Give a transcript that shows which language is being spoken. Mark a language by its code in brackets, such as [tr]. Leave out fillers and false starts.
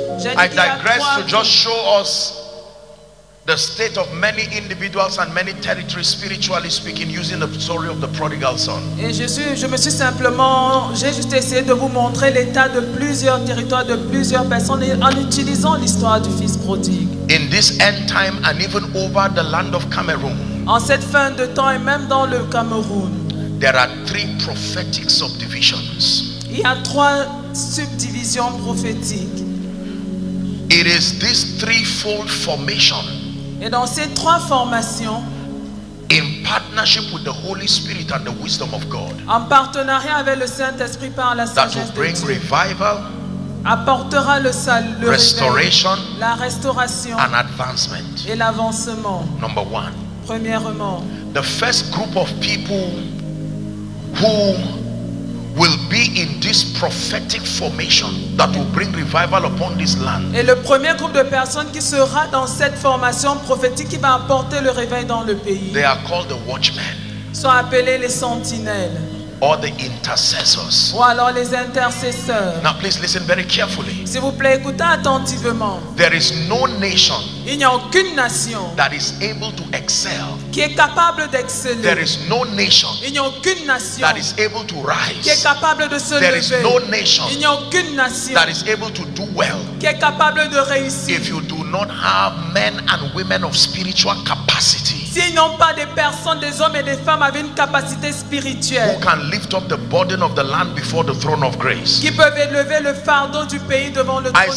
[en] I digress to just show us the state of many individuals and many territories, spiritually speaking, using the story of the prodigal son. [fr] Et j'ai juste essayé de vous montrer l'état de plusieurs territoires, de plusieurs personnes, en utilisant l'histoire du fils prodigue. [en] In this end time and even over the land of Cameroon. [fr] En cette fin de temps et même dans le Cameroun. [en] There are three prophetic subdivisions. [fr] Il y a trois subdivisions prophétiques. [en] It is this threefold formation. [fr] Et dans ces trois formations, [en] in partnership with the Holy Spirit and the wisdom of God, [fr] en partenariat avec le Saint-Esprit par la sagesse de Dieu, [en] that will bring revival, [fr] apportera le salut, [en] restoration, [fr] la restauration, [en] and advancement, [fr] et l'avancement. [en] Number one. [fr] Premièrement, [en] the first group of people who will be in this prophetic formation that will bring revival upon this land. [fr] Et le premier groupe de personnes qui sera dans cette formation prophétique qui va apporter le réveil dans le pays. [en] They are called the watchmen. [fr] Sont appelés les sentinelles. [en] Or the intercessors. [fr] Ou alors les intercesseurs. [en] Now please listen very carefully. [fr] S'il vous plaît, écoutez attentivement. [en] There is no nation. [fr] Il n'y a aucune nation. [en] That is able to excel. [fr] Qui est capable d'exceller. [en] There is no nation. [fr] Il n'y a aucune nation. [en] That is able to rise. [fr] Qui est capable de se lever. [en] There is no nation. [fr] Il n'y a aucune nation. [en] That is able to do well. [fr] Qui est capable de réussir. [en] If you do not have men and women of spiritual capacity. [fr] S'ils n'ont pas des personnes, des hommes et des femmes avec une capacité spirituelle. [en] Who can lift up the burden of the land before the throne of grace? [fr] Qui peuvent élever le fardeau du pays devant le trône de grâce?